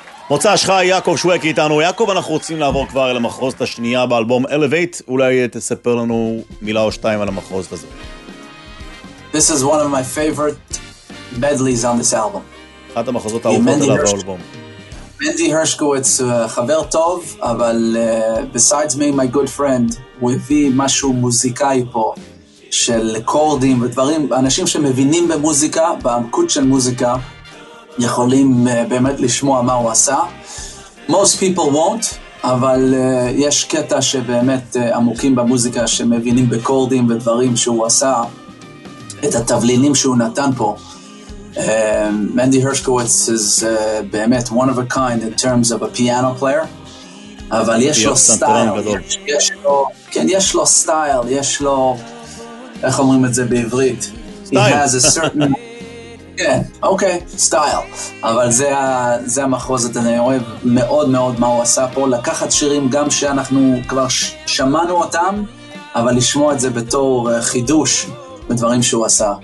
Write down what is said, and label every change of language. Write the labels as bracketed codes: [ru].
[he] מוצא שחי, יעקב שווק איתנו. יעקב, אנחנו רוצים לעבור כבר אל המחרוזת השנייה באלבום Elevate. אולי תספר לנו מילה או שתיים על המחרוזת הזה. [en] This is one of my favorite medleys on this album. [he] אחת המחרוזות האהובות עליו באלבום. Mendy Hershkowitz, חבר טוב, אבל [en] besides me, my good friend, [he] הוא הביא משהו מוזיקאי פה, של קורדים ודברים, אנשים שמבינים במוזיקה, בעמקות של מוזיקה, יכולים באמת לשמוע מה הוא עשה. [en] Most people won't, [he] אבל יש קטע שבאמת עמוקים במוזיקה שמבינים בקורדים ודברים שהוא עשה, את התבלינים שהוא נתן פה. [en] Mendy Hershkowitz is באמת one of a kind in terms of a piano player, [he] אבל יש לו סטייל. יש לו סטייל, יש לו, איך אומרים את זה בעברית? סטייל. [en] He has a certain... [he] כן, אוקיי, [en] סטייל. [he] אבל זה המחרוזת, אני אוהב מאוד מאוד מה הוא עשה פה, לקחת שירים גם שאנחנו כבר שמענו אותם, אבל לשמוע את זה בתור חידוש בדברים שהוא עשה.